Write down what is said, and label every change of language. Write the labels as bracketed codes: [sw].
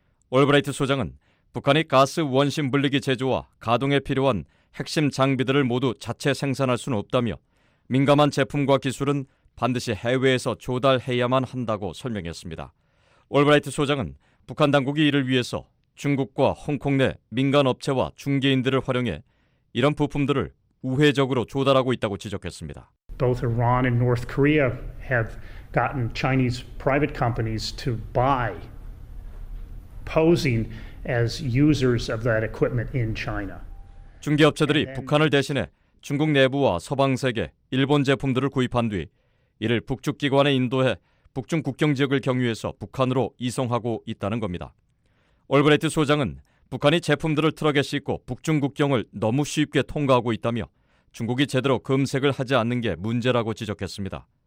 [ko] 올브라이트 소장은 북한이 가스 원심 분리기 제조와 가동에 필요한 핵심 장비들을 모두 자체 생산할 수는 없다며 민감한 제품과 기술은 반드시 해외에서 조달해야만 한다고 설명했습니다. 올브라이트 소장은 북한 당국이 이를 위해서 중국과 홍콩 내 민간 업체와 중개인들을 활용해 이런 부품들을 우회적으로 조달하고 있다고 지적했습니다. [en] Both Iran and North Korea have gotten Chinese private companies to buy posing as users of that equipment in China. [ko] 중개업체들이 북한을 대신해 중국 내부와 서방 세계, 일본 제품들을 구입한 뒤 이를 북측 기관에 인도해 북중 국경 지역을 경유해서 북한으로 이송하고 있다는 겁니다. 올브레이트 소장은 북한이 제품들을 트럭에 싣고 북중 국경을 너무 쉽게 통과하고 있다며 중국이 제대로 검색을 하지 않는 게 문제라고 지적했습니다.